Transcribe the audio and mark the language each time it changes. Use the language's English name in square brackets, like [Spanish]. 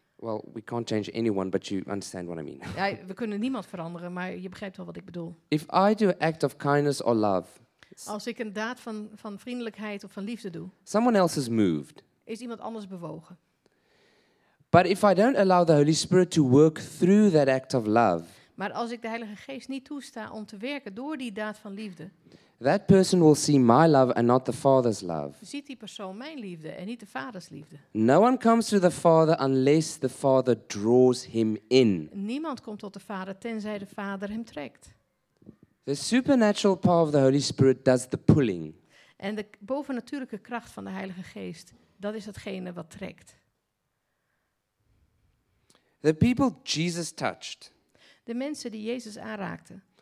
[English] Well, we can't change anyone, but you understand what I mean. [Dutch] Ja, we kunnen niemand veranderen, maar je begrijpt wel wat ik bedoel. [English] If I do an act of kindness or love, [Dutch] als ik een daad van vriendelijkheid of van liefde doe, [English] someone else is moved. [Dutch] Is iemand anders bewogen? [English] But if I don't allow the Holy Spirit to work through that act of love, [Dutch] maar als ik de Heilige Geest niet toesta om te werken door die daad van liefde, [English] that person will see my love and not the Father's love. [Dutch] Ziet die persoon mijn liefde en niet de Vaders liefde. [English] No one comes to the Father unless the Father draws him in. [Dutch] Niemand komt tot de Vader tenzij de Vader hem trekt. [English] The supernatural power of the Holy Spirit does the pulling. [Dutch] En de bovennatuurlijke kracht van de Heilige Geest, dat is datgene wat trekt. [English] The people Jesus touched. [Dutch] De mensen die Jezus aanraakte.